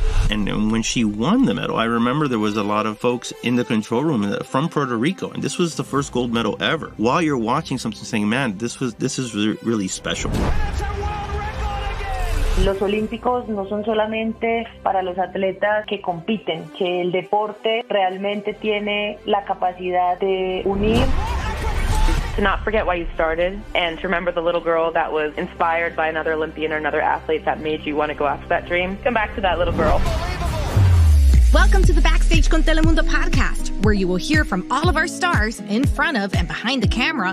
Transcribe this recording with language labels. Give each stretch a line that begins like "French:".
English: And when she won the medal, I remember there was a lot of folks in the control room from Puerto Rico, and this was the first gold medal ever. While you're watching something, saying, man, this is really special.
Spanish: Los olímpicos no son solamente para los atletas que compiten, que el deporte realmente tiene la capacidad de unir.
English: To not forget why you started and to remember the little girl that was inspired by another Olympian or another athlete that made you want to go after that dream. Come back to that little girl. Welcome to the Backstage con Telemundo podcast, where you will hear from all of our stars in front of and behind the camera.